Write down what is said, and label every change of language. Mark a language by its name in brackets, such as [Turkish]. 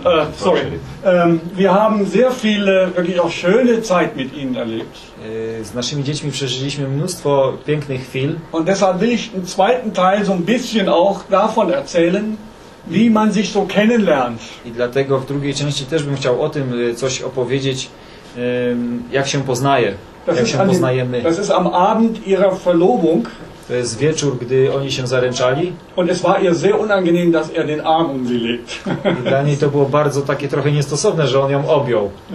[German] Wir haben sehr viele wirklich auch schöne Zeit mit ihnen erlebt. [Polish] Z naszymi dziećmi przeżyliśmy mnóstwo pięknych chwil. [German] Und deshalb will ich im zweiten Teil so ein bisschen auch davon erzählen, wie man sich so kennenlernt. [Polish] I dlatego w drugiej części też bym chciał o tym coś opowiedzieć, jak się poznaje, jak się poznajemy. [German] Das ist am Abend ihrer Verlobung. [Polish] To jest wieczór, gdy oni się zaręczali. [German] Und es war ihr sehr unangenehm, dass den Arm sie legt. [Polish] Dla niej to było bardzo takie trochę niestosowne, że on ją objął.